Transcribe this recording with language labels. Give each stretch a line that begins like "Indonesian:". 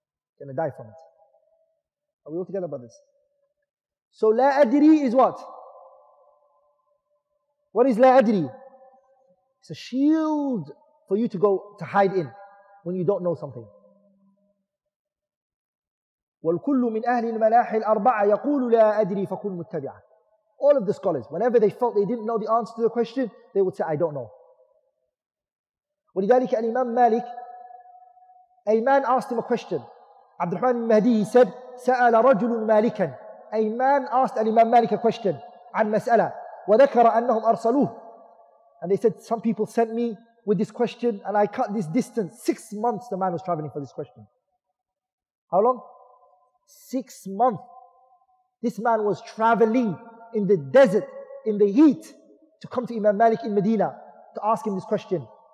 English: He's going to die from it. Are we all together, brothers? So
Arabic: لا أدري
English: is what? What is
Arabic: لا أدري?
English: It's a shield for you to go to hide in when you don't know something.
Arabic: والكل من أهل المناحي الأربعة يقول لا أدري فكن متبعا.
English: All of the scholars, whenever they felt they didn't know the answer to the question, they would say, I don't know.
Arabic: ولذلك الإمام مالك,
English: a man asked him a question.
Arabic: عبد الرحمن المهدي,
English: he said,
Arabic: سأل رجل مالكا.
English: A man asked الإمام مالك a question
Arabic: عن مسألة. وذكر أنهم أرسلوه.
English: And they said, some people sent me with this question and I cut this distance. 6 months the man was traveling for this question. How long? 6 months. This man was traveling in the desert, in the heat, to come to Imam Malik in Medina to ask him this question.